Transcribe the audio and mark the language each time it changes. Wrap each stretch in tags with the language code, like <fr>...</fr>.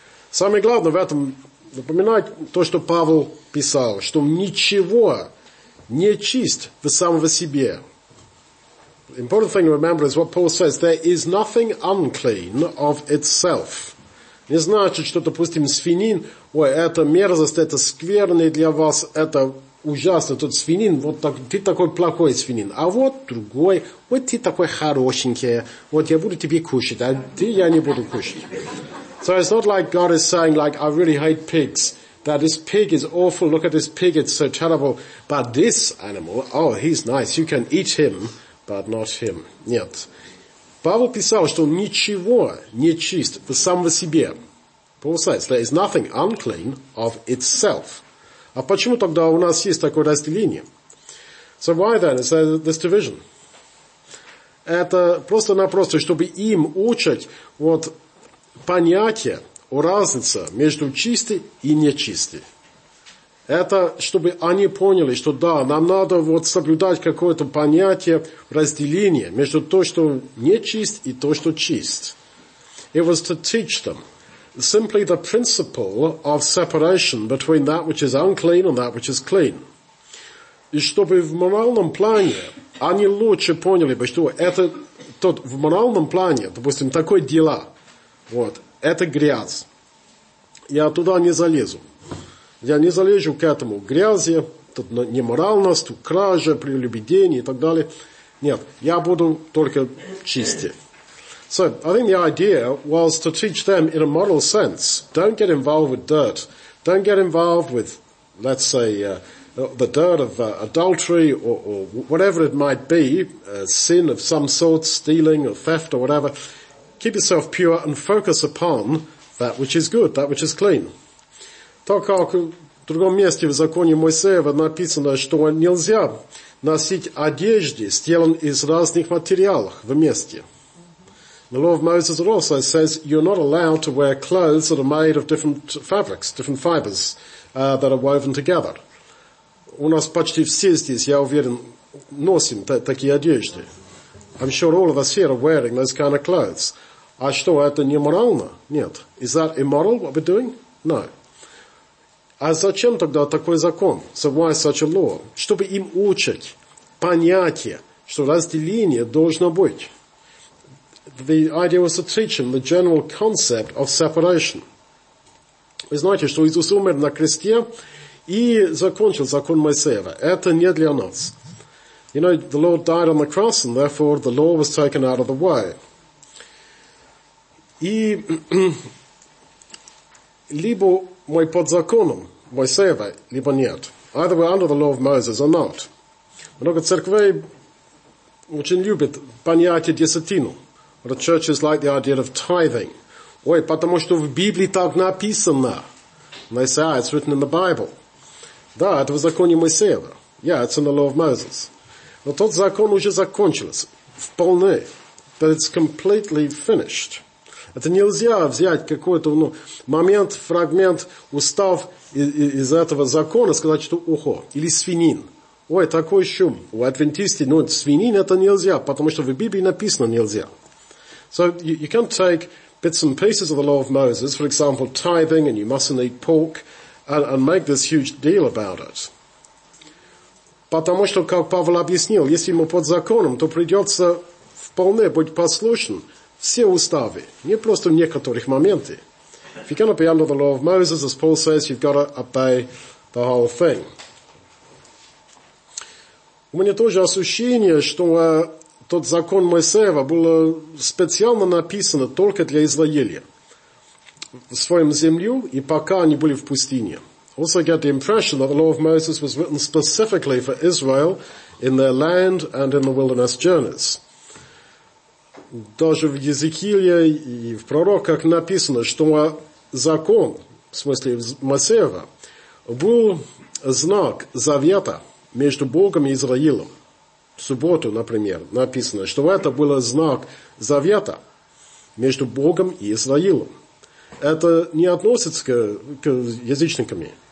<ru>Самое главное в этом напоминать то, что Павел писал, что ничего не чист в самого себе.</ru> <en>Important thing to remember is what Paul says, there is nothing unclean of itself.</en> <ru>Не значит, что, допустим, свинин, ой, это мерзость, это скверный для вас, это ужасно, тот свинин, вот так, ты такой плохой свинин, а вот другой, вот ты такой хорошенький, вот я буду тебе кушать, а ты я не буду кушать.</ru> <en>So it's not like God is saying, like, I really hate pigs, that this pig is awful, look at this pig, it's so terrible, but this animal, oh, he's nice, you can eat him, but not him.</en> <ru>Нет. Павел писал, что ничего не чист в самого себе.</ru> <en>Paul says, there is nothing unclean of itself.</en> <ru>А почему тогда у нас есть такое разделение?</ru> <en>So why then is there this division?</en> <ru>Это просто-напросто, чтобы им учить вот понятие о разнице между чистым и нечистым. Это чтобы они поняли, что да, нам надо вот соблюдать какое-то понятие разделения между то, что нечист и то, что чист.</ru> <en>It was to teach them simply the principle of separation between that which is unclean and that which is clean.</en> <ru>И чтобы в моральном плане они лучше поняли бы, что это тот, в моральном плане, допустим, такое дело, вот, это грязь. Я туда не залезу. Я не залежу к этому грязи, тут неморальность, кража, прелюбедение и так далее. Нет, я буду только чистый.</ru> <en>So, I think the idea was to teach them in a moral sense, don't get involved with dirt. Don't get involved with, let's say, the dirt of adultery or whatever it might be, sin of some sort, stealing or theft or whatever. Keep yourself pure and focus upon that which is good, that which is clean.</en> <ru>Так как в другом месте в законе Моисеева написано, что нельзя носить одежды, сделанные из разных материалов вместе.</ru> <en>The law of Moses also says you're not allowed to wear clothes that are made of different fabrics, different fibers that are woven together.</en> <ru>У нас почти все здесь, я уверен, носим такие одежды.</ru> <en>I'm sure all of us here are wearing those kind of clothes.</en> <ru>А что, это не морально? Нет.</ru> <en>Is that immoral what we're doing? No.</en> <ru>А зачем тогда такой закон?</ru> <en>So why such a law?</en> <ru>Чтобы им учить понятие, что разделение должно быть.</ru> <en>The idea was to teach them the general concept of separation.</en> <ru>Вы знаете, что Иисус умер на кресте и закончил закон Моисеева. Это не для нас.</ru> <en>You know, the Lord died on the cross and therefore the law was taken out of the way.</en> <ru>И либо мы под законом Моисеева, либо нет.</ru> <en>Either we're under the law of Moses or not.</en> <ru>Много церквей очень любят понятие десятину.</ru> <en>The churches like the idea of tithing.</en> <ru>Ой, потому что в Библии так написано.</ru> <en>And they say, it's written in the Bible.</en> <ru>Да, это в законе Моисеева.</ru> <en>Yeah, it's in the law of Moses.</en> <ru>Но тот закон уже закончился. Вполне.</ru> <en>But it's completely finished.</en> <ru>Это нельзя взять какой-то момент, фрагмент, устав из этого закона, сказать, что ухо, или свинин. Ой, такой шум. У адвентистов, свинин это нельзя, потому что в Библии написано нельзя.</ru> <en>So you can take bits and pieces of the law of Moses, for example, tithing, and you mustn't eat pork, and make this huge deal about it.</en> <ru>Потому что, как Павел объяснил, если мы под законом, то придется вполне быть послушен. Все уставы, не просто в некоторых моментах.</ru> <en>If you're going to be under the law of Moses, as Paul says, you've got to obey the whole thing.</en> <ru>У меня тоже ощущение, что тот закон Моисеева был специально написан только для Израиля. В своем землю и пока они были в пустыне.</ru> <en>Also get the impression that the law of Moses was written specifically for Israel in their land and in the wilderness journeys.</en> <ru>Даже в Езекииле и в пророках написано, что закон, в смысле Моисеева, был знак завета между Богом и Израилем. В субботу, например, написано, что это был знак завета между Богом и Израилем. Это не относится к язычникам.</ru>